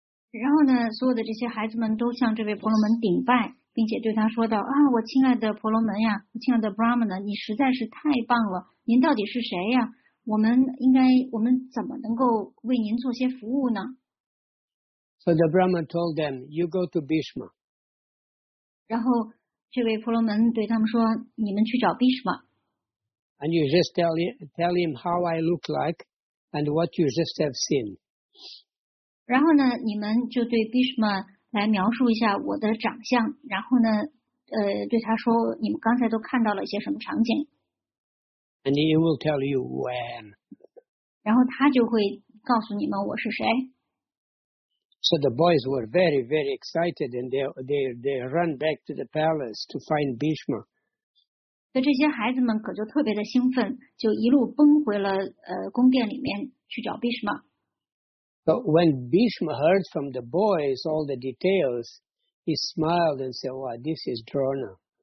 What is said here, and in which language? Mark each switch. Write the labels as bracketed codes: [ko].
[zh] 然后呢，所有的这些孩子们都向这位婆罗门顶拜。并且对他说道啊，我亲爱的婆罗门呀，我亲爱的 Brahma 呢，你实在是太棒了，您到底是谁呀？我们怎么能够为您做些服务呢？ [en] So the Brahma told them, you go to Bhishma. [zh] 然后这位婆罗门对他们说，你们去找毕什玛。 [en] And you just tell him how I look like and what you just have seen. [zh] 然后呢，你们就对毕什玛来描述一下我的长相，然后呢，对他说，你们刚才都看到了一些什么场景。 [en] And he will tell you when. [zh] 然后他就会告诉你们我是谁。 [en] So the boys were very, very excited, and they run back to the palace to find Bhishma. [zh] 那这些孩子们可就特别的兴奋，就一路奔回了宫殿里面去找 Bhishma. [en] So when Bhishma heard from the boys all the details, he smiled and said, "Wow, this is Drona."